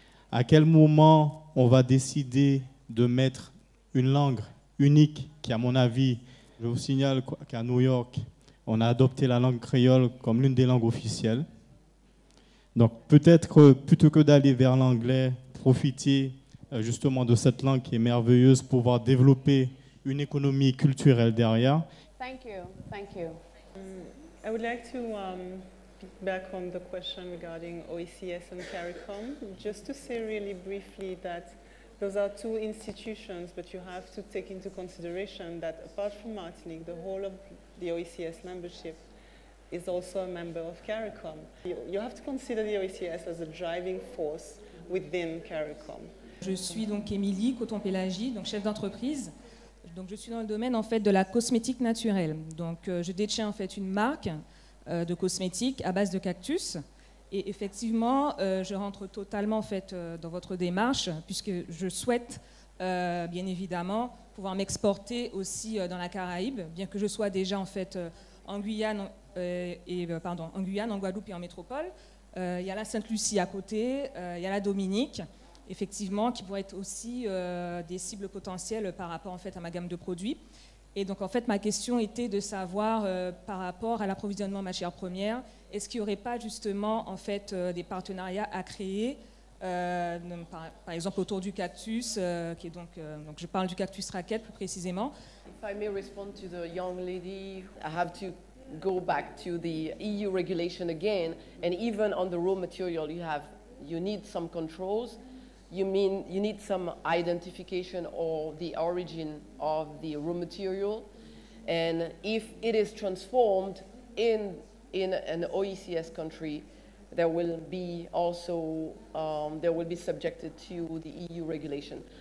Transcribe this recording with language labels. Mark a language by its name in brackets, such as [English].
[French] À quel moment on va décider de mettre une langue unique qui, à mon avis, je vous signale qu'à New York, on a adopté la langue créole comme l'une des langues officielles? Donc peut-être que plutôt que d'aller vers l'anglais, profiter justement de cette langue qui est merveilleuse pour pouvoir développer une économie culturelle derrière. [English] Thank you, thank you. I would like to back on the question regarding OECS and CARICOM, just to say really briefly that those are two institutions, but you have to take into consideration that apart from Martinique, the whole of the OECS membership is also a member of CARICOM. You have to consider the OECS as a driving force within CARICOM. [French] Je suis donc Émilie Coton-Pélagie, donc chef d'entreprise. Donc je suis dans le domaine en fait de la cosmétique naturelle. Donc je détiens en fait une marque de cosmétiques à base de cactus. Et effectivement, je rentre totalement en fait dans votre démarche, puisque je souhaite bien évidemment pouvoir m'exporter aussi dans la Caraïbe, bien que je sois déjà en fait en Guyane. En Guyane, en Guadeloupe et en métropole. Il y a la Sainte-Lucie à côté, il y a la Dominique, effectivement, qui pourraient être aussi des cibles potentielles par rapport en fait, à ma gamme de produits. Et donc, en fait, ma question était de savoir, par rapport à l'approvisionnement en matières premières, est-ce qu'il n'y aurait pas, justement, en fait, des partenariats à créer par exemple autour du cactus, qui est donc je parle du cactus raquette plus précisément. [English] If I may respond to the young lady, I have to go back to the EU regulation again, and even on the raw material you need some controls. You need some identification of the origin of the raw material, and if it is transformed in an OECS country, there will be also there will be subjected to the EU regulation.